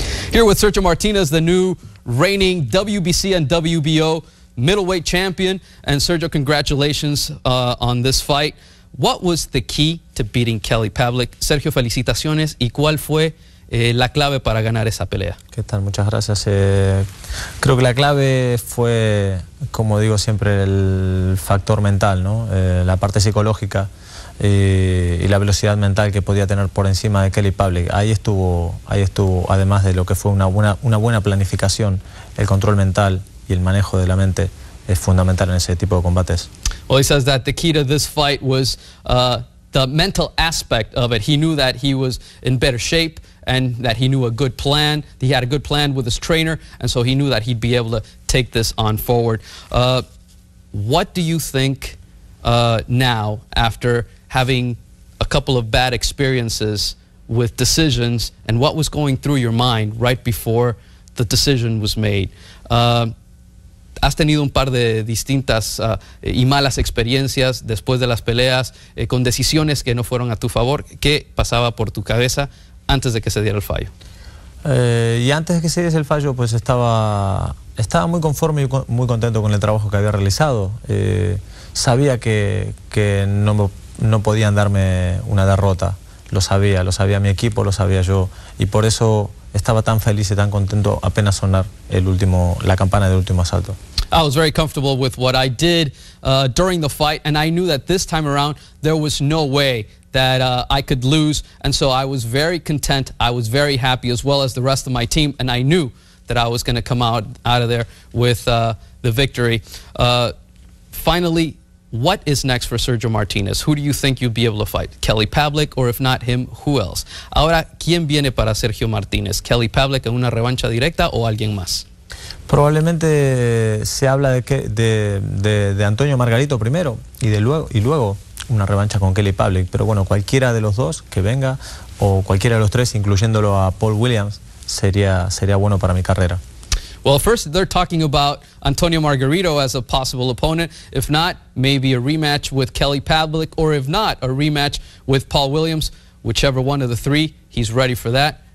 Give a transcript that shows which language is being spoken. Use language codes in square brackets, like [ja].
[en] Here with Sergio Martinez, the new reigning WBC and WBO middleweight champion. And Sergio, congratulations on this fight. What was the key to beating Kelly Pavlik? [es] Sergio, felicitaciones. ¿Y cuál fue la clave para ganar esa pelea? ¿Qué tal? Muchas gracias. Creo que la clave fue, como digo siempre, el factor mental, ¿no? La parte psicológica y la velocidad mental que podía tener por encima de Kelly Pavlik. Ahí estuvo, además de lo que fue una buena planificación, el control mental y el manejo de la mente es fundamental en ese tipo de combates. [en] Well, he says that the key to this fight was the mental aspect of it. He knew that he was in better shape and that he knew a good plan. He had a good plan with his trainer, and so he knew that he'd be able to take this on forward. What do you think now, after having a couple of bad experiences with decisions, and what was going through your mind right before the decision was made? [es] Has tenido un par de distintas y malas experiencias después de las peleas, con decisiones que no fueron a tu favor. ¿Qué pasaba por tu cabeza antes de que se diera el fallo? Y antes de que se diese el fallo, pues estaba muy conforme y muy contento con el trabajo que había realizado. Sabía que no podían darme una derrota. Lo sabía mi equipo, lo sabía yo. Y por eso estaba tan feliz y tan contento apenas sonar la campana del último asalto. [en] I was very comfortable with what I did during the fight, and I knew that this time around there was no way that I could lose, and so I was very content. I was very happy, as well as the rest of my team, and I knew that I was going to come out of there with the victory. Finally, what is next for Sergio Martinez? Who do you think you'll be able to fight? Kelly Pavlik, or if not him, who else? [es] Ahora, ¿quién viene para Sergio Martinez? ¿Kelly Pavlik en una revancha directa o alguien más? Probablemente se habla de Antonio Margarito primero y luego una revancha con Kelly Pavlik. Pero bueno, cualquiera de los dos que venga, o cualquiera de los tres, incluyéndolo a Paul Williams, sería bueno para mi carrera. [en] Well, first they're talking about Antonio Margarito as a possible opponent. If not, maybe a rematch with Kelly Pavlik, or if not, a rematch with Paul Williams. Whichever one of the three, he's ready for that.